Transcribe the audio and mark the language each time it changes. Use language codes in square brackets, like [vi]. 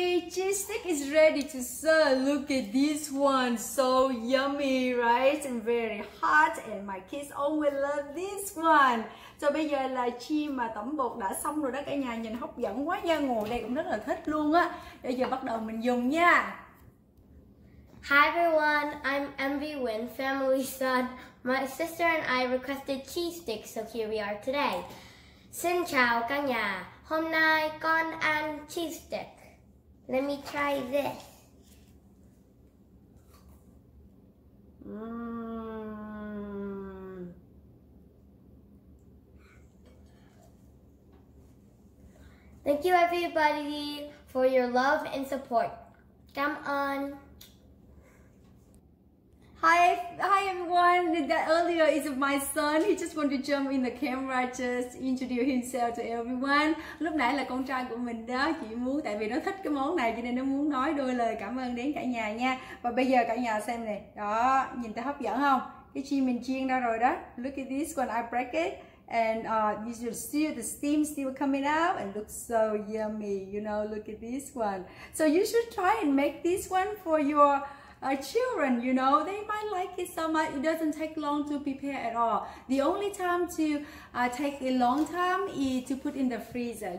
[en] Cheese stick is ready to serve. Look at this one, so yummy, right? And very hot, and my kids always love this one. [vi] So bây giờ là chi mà tẩm bột đã xong rồi đó cả nhà, nhìn hấp dẫn quá nha, ngồi đây cũng rất là thích luôn á. Bây giờ bắt đầu mình dùng nha. [en] Hi everyone, I'm MV Win, family son. My sister and I requested cheese sticks, so here we are today. [vi] Xin chào cả nhà, hôm nay con ăn cheese stick. [en] Let me try this. Thank you everybody for your love and support. [vi] Cảm ơn. [en] Hi everyone, that earlier is my son. He just wanted to jump in the camera, just introduce himself to everyone. [vi] Lúc nãy là con trai của mình đó, chỉ muốn, tại vì nó thích cái món này cho nên nó muốn nói đôi lời cảm ơn đến cả nhà nha. Và bây giờ cả nhà xem này, đó, nhìn thấy hấp dẫn không? Cái chi mình chiên ra rồi đó. [en] Look at this when I break it. And you should see the steam still coming out and looks so yummy, you know, look at this one. So you should try and make this one for your children, you know, they might like it so much. It doesn't take long to prepare at all. The only time to take a long time is to put in the freezer.